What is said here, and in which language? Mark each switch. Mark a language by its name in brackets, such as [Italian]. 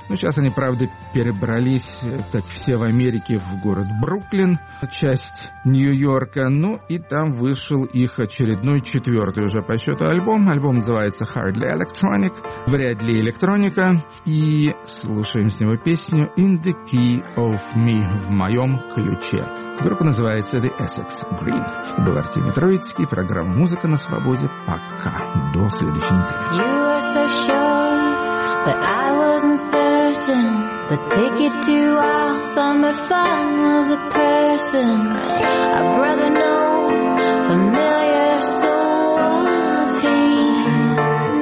[Russian] Ну, сейчас они, правда, перебрались, как все в Америке, в город Бруклин, часть Нью-Йорка, ну, и там вышел их очередной четвертый уже по счету альбом. Альбом называется «Hardly Electronic», «Вряд ли электроника», и слушаем с него песню «In the Key of Me», «В моем ключе». Группа называется The Essex Green. Это был Артемий Троицкий, программа «Музыка на свободе». Пока. До следующей недели. [English] You were so sure, but I wasn't certain. The ticket to our summer fun was a person. A brother known, familiar, so was he.